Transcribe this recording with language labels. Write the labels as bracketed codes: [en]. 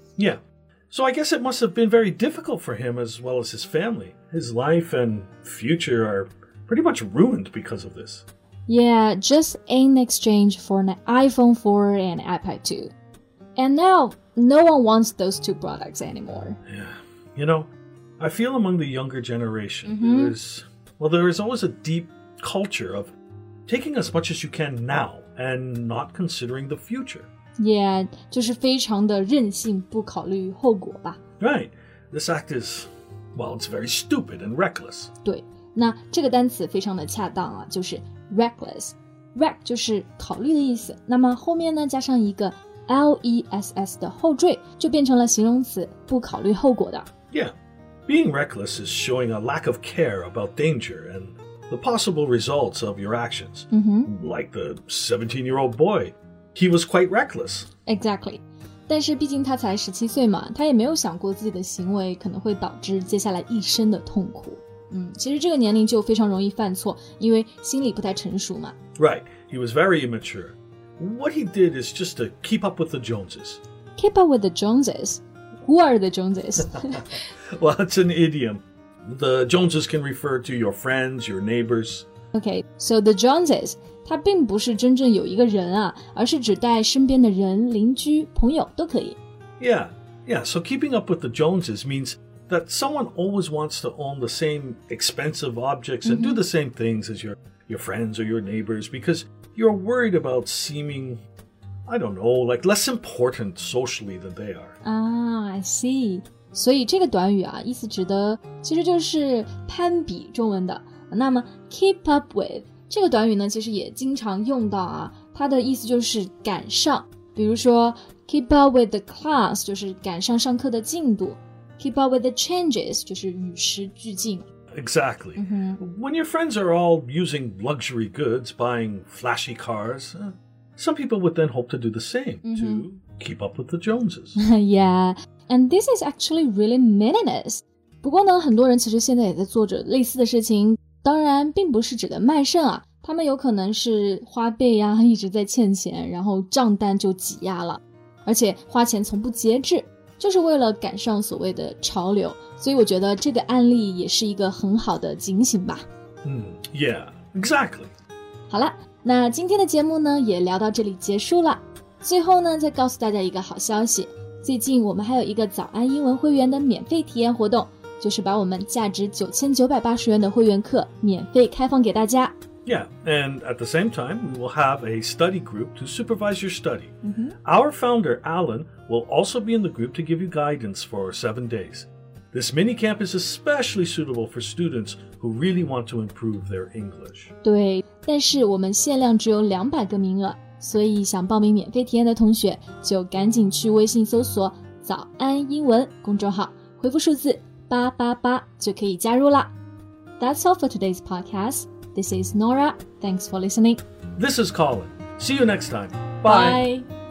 [en] Yeah, so I guess it must have been very difficult for him as well as his family. His life and future are pretty much ruined because of this. Yeah, just in exchange for an iPhone 4 and iPad 2. And now, no one wants those two products anymore. Yeah, you know, I feel among the younger generation, there is always a deep culture of taking as much as you can now and not considering the future. [zh] Yeah, 就是非常的任性，不考虑后果吧。 [en] Right, this act is, well, it's very stupid and reckless. [zh] 对，那这个单词非常的恰当啊，就是 reckless. Reck 就是考虑的意思，那么后面呢加上一个 less 的后缀，就变成了形容词，不考虑后果的。 [en] Yeah, being reckless is showing a lack of care about danger and the possible results of your actions. Mm-hmm. Like the 17-year-old boy. He was quite reckless. Exactly. [zh] 但是毕竟他才17岁嘛，他也没有想过自己的行为可能会导致接下来一生的痛苦。其实这个年龄就非常容易犯错，因为心理不太成熟嘛。 [en] Right. He was very immature. What he did is just to keep up with the Joneses. Keep up with the Joneses? Who are the Joneses? Well, it's an idiom. The Joneses can refer to your friends, your neighbors. Okay, so the Joneses... [zh] 它并不是真正有一个人啊，而是指带身边的人、邻居、朋友都可以。 [en] Yeah, yeah. So keeping up with the Joneses means that someone always wants to own the same expensive objects and do the same things as your friends or your neighbors because you're worried about seeming, I don't know, like less important socially than they are. I see. [zh] 所以这个短语啊，意思指的其实就是攀比，中文的。那么 [en] keep up with。 [zh] 这个短语呢其实也经常用到啊，它的意思就是赶上，比如说 [en] keep up with the class [zh] 就是赶上上课的进度， [en] keep up with the changes [zh] 就是与时俱进。 [en] Exactly. When your friends are all using luxury goods, buying flashy cars, some people would then hope to do the same, to keep up with the Joneses. Yeah, and this is actually really meaningless. [zh] 不过呢，很多人其实现在也在做着类似的事情，当然并不是指的卖肾啊，他们有可能是花呗啊，一直在欠钱，然后账单就挤压了，而且花钱从不节制，就是为了赶上所谓的潮流。所以我觉得这个案例也是一个很好的警醒吧。 [en] Yeah, exactly. [zh] 好了，那今天的节目呢也聊到这里结束了。最后呢再告诉大家一个好消息，最近我们还有一个早安英文会员的免费体验活动，就是把我们价值9980元的会员课免费开放给大家。 [en] Yeah, and at the same time, we will have a study group to supervise your study. Our founder, Alan, will also be in the group to give you guidance for 7 days. This mini camp is especially suitable for students who really want to improve their English. [zh] 对，但是我们限量只有200个名额，所以想报名免费体验的同学就赶紧去微信搜索早安英文公众号，回复数字888就可以加入了。 [en] That's all for today's podcast. This is Nora. Thanks for listening. This is Colin. See you next time. Bye. Bye.